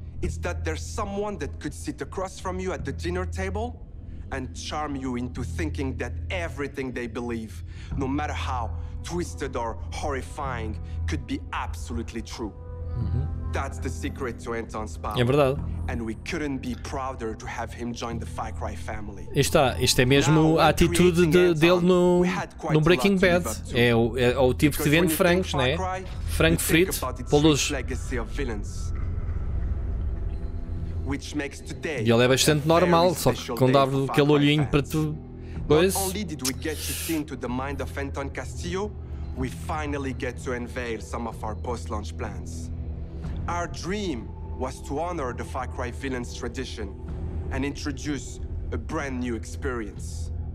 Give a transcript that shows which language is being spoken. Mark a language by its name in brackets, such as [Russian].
[English] It's that there's someone that could sit across from you at the dinner table and charm you into thinking that everything they believe, no matter how twisted or horrifying, could be absolutely true. Mm-hmm. That's the secret to Anton's power. [Portuguese] É verdade. [English] And we couldn't be prouder to have him join the Far Cry family. [Portuguese] Está, isto é mesmo a atitude dele no Breaking Bad. É o tipo que vende frangos, né? Frango frito, polos. E ele é bastante normal, só que com dar aquele olhinho para tu. Pois. [English] Not only did we get to see into the mind of Anton Castillo, we finally get to unveil some of our post-launch plans. Our dream was to honor the Far Cry villains tradition and introduce a brand new experience.